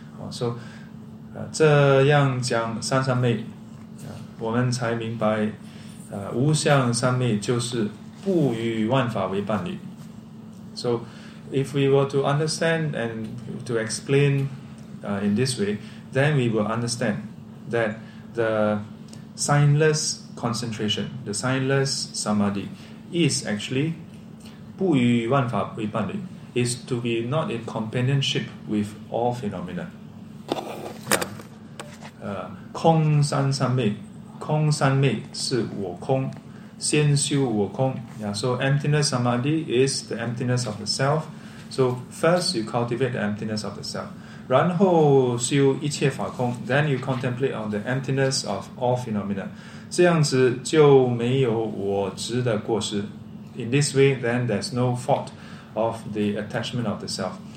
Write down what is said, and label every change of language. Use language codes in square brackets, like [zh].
[zh] So, 这样讲三三昧, 我们才明白, 无相三昧就是不与万法为伴侣. [en] So, if we were to understand and to explain in this way, then we will understand that the signless concentration, the signless samadhi, is actually [zh] 不与万法为伴侣, [en] is to be not in companionship with all phenomena. [zh] 空三三昧, 空三昧是我空, 先修我空, [en] so emptiness samadhi is the emptiness of the self. So first you cultivate the emptiness of the self. [zh] 然后修一切法空, [en] then you contemplate on the emptiness of all phenomena. [zh] 这样子就没有我执的过失. [en] In this way, then there's no fault of the attachment of the self.